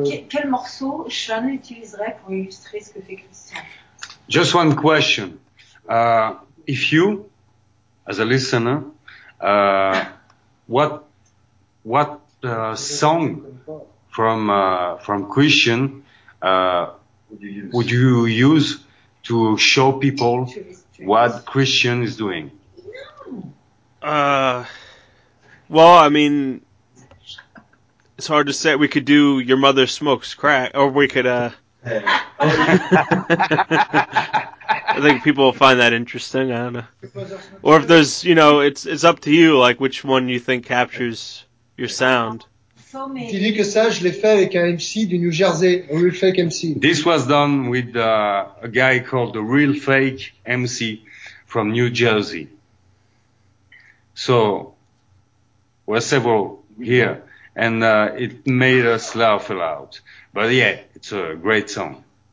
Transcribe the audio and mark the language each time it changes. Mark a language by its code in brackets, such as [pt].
[fr] Quel morceau Sean utiliserait pour illustrer ce que fait Christian? [en] Just one question. If you, as a listener, what song from Christian would you use to show people what Christian is doing? Well, I mean, it's hard to say. We could do Your Mother Smokes Crack, or we could, I think people will find that interesting. I don't know. Or if there's, you know, it's up to you, like, which one you think captures your sound. [fr] Tu dis que ça, je l'ai fait avec un MC du New Jersey, a real fake MC. [en] This was done with a guy called the Real Fake MC from New Jersey. So, we're several here. And it made us laugh a lot. But yeah, it's a great song.